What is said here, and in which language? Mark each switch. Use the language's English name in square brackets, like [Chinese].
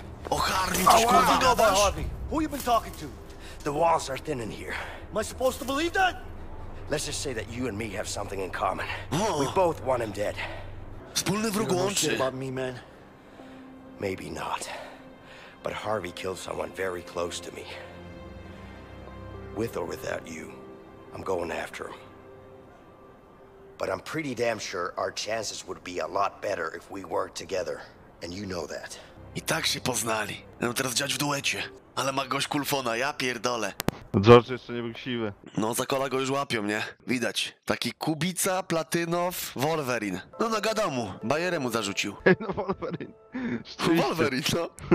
[Polish] O Harvey, coś kurwa gadasz? [English] Who you been talking to? The walls are thin in here. Am I supposed to believe that? Let's just say that you and me have something in common. We both want him dead. [Polish] Wspólny wróg łączy. [English] About me, man? Maybe not. But Harvey killed someone very close to me. With or without you, I'm going after him. But I'm pretty damn sure our chances would be a lot better if we worked together. And you know that. [Polish] I tak się poznali. Będą teraz dziać w duecie. Ale ma gość Kulfona, ja pierdolę. George jeszcze nie był siwy. No, za kola go już łapią, nie? Widać. Taki Kubica, Platynow, Wolverine. No, nagadał mu. Bajerę mu zarzucił. No, Wolverine. Wolverine, no.